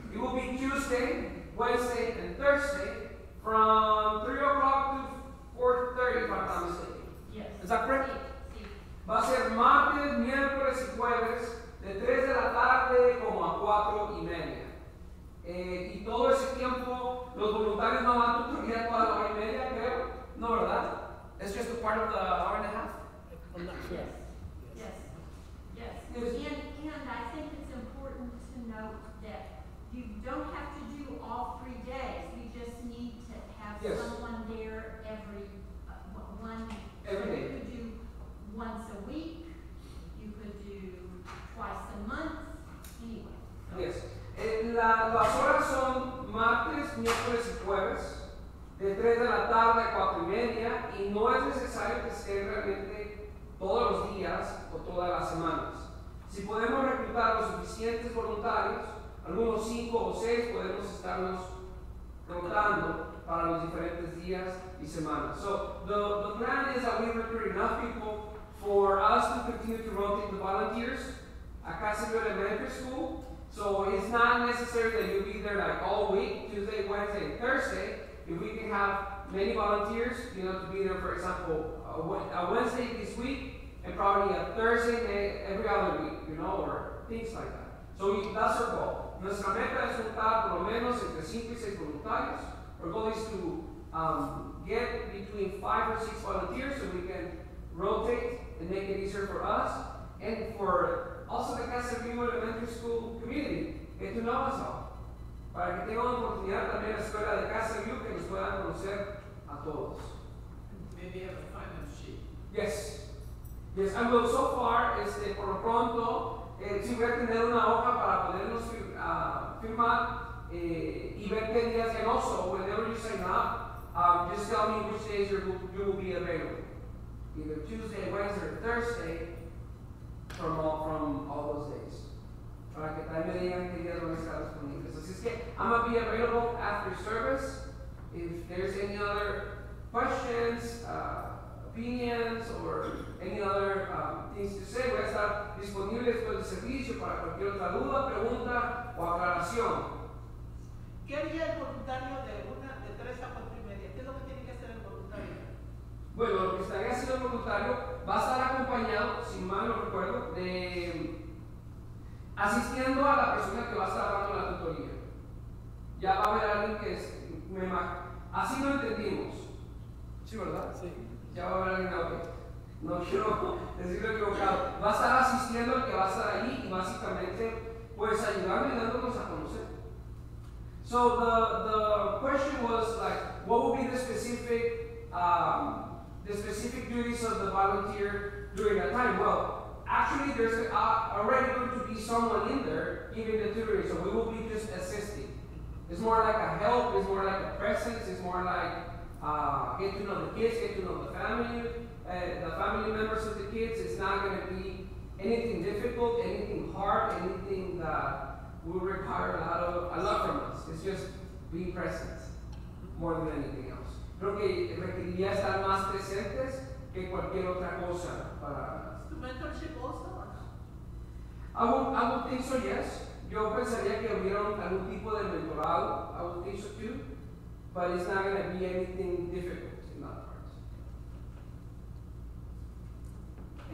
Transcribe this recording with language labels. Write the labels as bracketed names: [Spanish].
[English] It will be Tuesday, Wednesday, and Thursday from 3 o'clock to 4:30, if I'm not mistaken. Yes. Is that correct? [Spanish] Sí. Va a ser martes, miércoles y jueves de 3 de la tarde como a 4 y media. Y todo ese tiempo, los voluntarios no van a tener que ir a toda la hora y media, creo. No, ¿verdad? [English] It's just a part of the hour and a half. Yes. Yes. Yes. Yes. Yes. And I think it's important to note that you don't have to do all 3 days. You just need to have yes. someone there every one. Every day. You could do once a week. You could do twice a month. Anyway. So. Yes. [Spanish] Las horas son martes, miércoles y jueves, de 3 de la tarde a 4 y media, y no es necesario que estén realmente todos los días o todas las semanas. Si podemos reclutar los suficientes voluntarios, algunos 5 o 6 podemos estarnos rotando para los diferentes días y semanas. [English] So, the plan is that we recruit enough people for us to continue to rotate the volunteers. [Spanish] Acá se ve el [English] elementary school. So it's not necessary that you be there like all week, Tuesday, Wednesday, and Thursday. If we can have many volunteers, you know, to be there, for example, a Wednesday this week, and probably a Thursday every other week, you know, or things like that. So that's our goal. [Spanish] Nuestra meta es juntar por lo menos entre 5 y 6 voluntarios. [English] Our goal is to get between 5 or 6 volunteers so we can rotate and make it easier for us and for also the Casabrigo Elementary School community, get to know us all. [Spanish] Para que tenga una oportunidad también la escuela de Casabrigo que nos pueda conocer a todos. [English] Maybe have a finance sheet. Yes. Yes, and well, so far, [Spanish] por lo pronto, sí voy a tener una hoja para podernos firmar y ver qué días. [English] And also, whenever you sign up, just tell me which days you will be available. Either Tuesday, Wednesday, or Thursday, from all those days. [Spanish] Para que también digan que días van a estar disponibles. Así es que, [English] I'm going to be available after service. If there's any other questions, opinions, or any other things to say, [Spanish] voy a estar disponible después del servicio para cualquier otra duda, pregunta o aclaración. ¿Qué haría el voluntario de 3 a 4 y media? ¿Qué es lo que tiene que hacer el voluntario? Bueno, lo que estaría haciendo el voluntario va a estar acompañado, si mal no recuerdo, de asistiendo a la persona que va a estar dando la tutoría. Ya va a haber alguien que es, me imagino. Así lo entendimos. ¿Sí, verdad? Sí. Ya va a haber alguien que no quiero decirlo equivocado. Va a estar asistiendo al que va a estar ahí y básicamente, pues, ayudarme y dándonos a conocer. [English] So, the question was, like, what would be the specific duties of the volunteer during that time. Well, actually, there's already going to be someone in there giving the tutoring, so we will be just assisting. It's more like a help, it's more like a presence, it's more like get to know the kids, get to know the family members of the kids. It's not going to be anything difficult, anything hard, anything that will require a lot from us. It's just being present more than anything else. [Spanish] Creo que requeriría estar más presentes que cualquier otra cosa para... ¿Es tu [English] mentorship also? I would think so, yes. [Spanish] Yo pensaría que hubiera algún tipo de mentorado. [English] I would think so too. But it's not going to be anything difficult in that part.